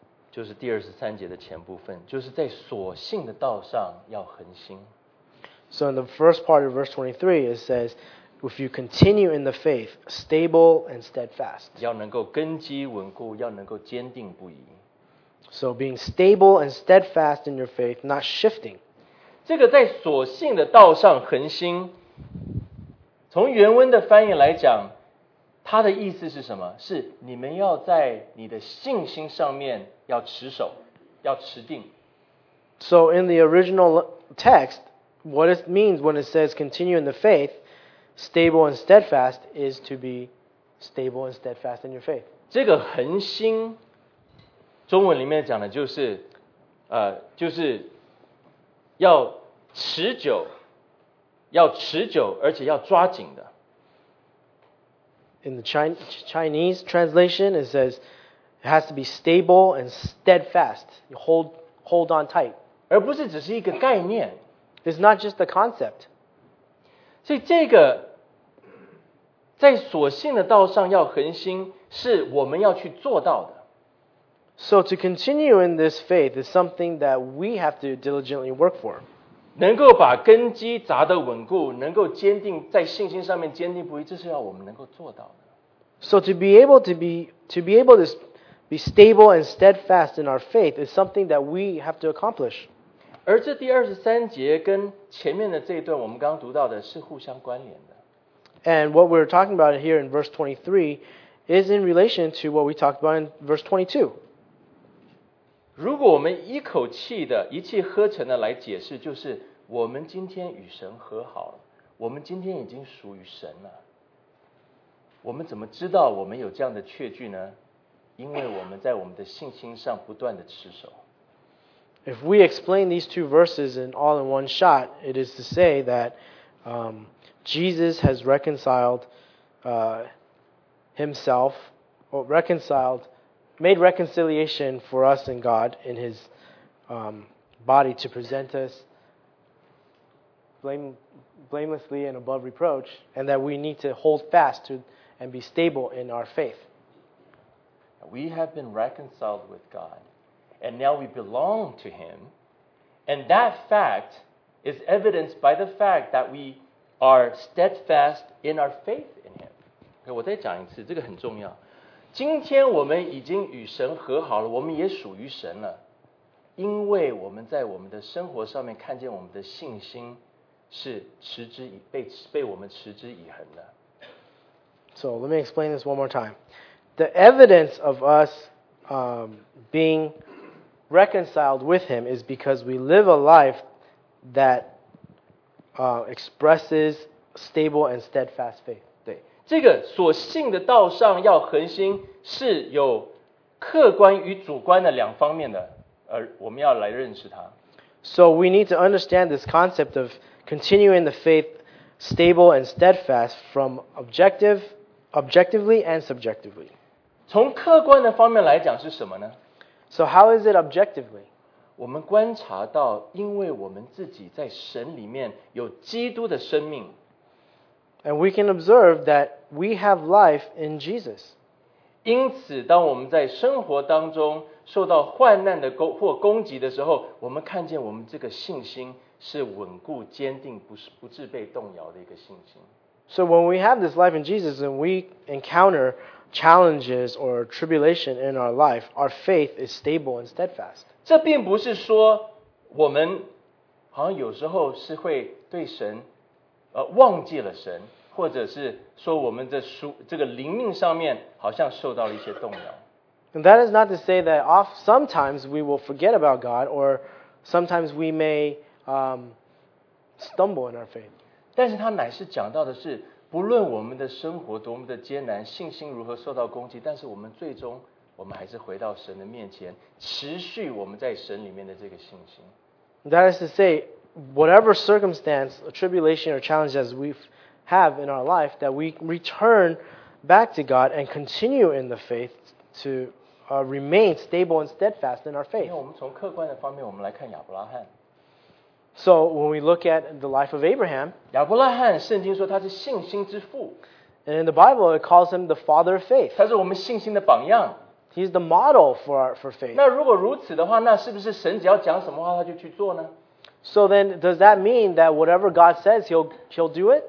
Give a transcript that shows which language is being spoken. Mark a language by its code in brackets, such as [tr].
[zh] 就是第二十三节的前部分，就是在所信的道上要恒心。 [en] So in the first part of verse 23, it says, if you continue in the faith, stable and steadfast. [zh] 要能够根基稳固，要能够坚定不移。 [en] So being stable and steadfast in your faith, not shifting. [zh] 这个在所信的道上恒心，从原文的翻译来讲，它的意思是什么？是你们要在你的信心上面要持守，要持定。 [en] So in the original text, what it means when it says continue in the faith, stable and steadfast is to be stable and steadfast in your faith. [zh] 这个恒心中文里面讲的就是就是要持久，要持久，而且要抓紧的。 [en] In the Chinese translation, it says it has to be stable and steadfast. You hold on tight. [zh] 而不是只是一个概念。 [en] It's not just a concept. [zh] 所以这个在所信的道上要恒心，是我们要去做到的。 [en] So to continue in this faith is something that we have to diligently work for. [zh] 能够把根基扎得稳固，能够坚定在信心上面坚定不移，这是要我们能够做到的。 [en] So to be able to be stable and steadfast in our faith is something that we have to accomplish. [zh] 而这第二十三节跟前面的这一段我们刚读到的是互相关联的。 [en] And what we're talking about here in verse 23 is in relation to what we talked about in verse 22. [zh] 如果我们一口气的一气呵成的来解释，就是我们今天与神和好了，我们今天已经属于神了，我们怎么知道我们有这样的确据呢？因为我们在我们的信心上不断的持守。 [en] If we explain these two verses in all in one shot, it is to say that Jesus has reconciled himself, or reconciled, made reconciliation for us and God in his body to present us blamelessly and above reproach, and that we need to hold fast to and be stable in our faith. We have been reconciled with God, and now we belong to Him. And that fact is evidenced by the fact that we are steadfast in our faith in Him. [zh] Okay, 我再讲一次，这个很重要。今天我们已经与神和好了，我们也属于神了，因为我们在我们的生活上面看见我们的信心是持之以被我们持之以恒的。 [en] So let me explain this one more time. The evidence of us being reconciled with Him is because we live a life that expresses stable and steadfast faith. [zh] 对，这个所信的道上要恒心是有客观与主观的两方面的，而我们要来认识它。 [en] So we need to understand this concept of continuing the faith stable and steadfast from objectively and subjectively. [zh] 从客观的方面来讲是什么呢？ [en] So how is it objectively? [zh] 我们观察到，因为我们自己在神里面有基督的生命。 [en] And we can observe that we have life in Jesus. [zh] 因此，当我们在生活当中受到患难的或攻击的时候，我们看见我们这个信心是稳固坚定，不致被动摇的一个信心。 [en] So when we have this life in Jesus and we encounter challenges or tribulation in our life, our faith is stable and steadfast. [zh] 这并不是说我们好像有时候是会对神忘记了神，或者是说我们的这个灵命上面好像受到了一些动摇。 [en] And that is not to say that sometimes we will forget about God or sometimes we may stumble in our faith. [zh] 但是他乃是讲到的是，不论我们的生活多么的艰难，信心如何受到攻击，但是我们最终我们还是回到神的面前，持续我们在神里面的这个信心。 [en] That is to say, whatever circumstance, tribulation or challenges we have in our life, that we return back to God and continue in the faith to remain stable and steadfast in our faith. [zh] 因为我们从客观的方面，我们来看亚伯拉罕。 [en] So when we look at the life of Abraham, [zh] 亚伯拉罕圣经说他是信心之父。 [en] And in the Bible, it calls him the father of faith. [zh] 他是我们信心的榜样。 [en] He's the model for faith. [zh] 那如果如此的话，那是不是神只要讲什么话他就去做呢？ [en] So then, does that mean that whatever God says, he'll do it?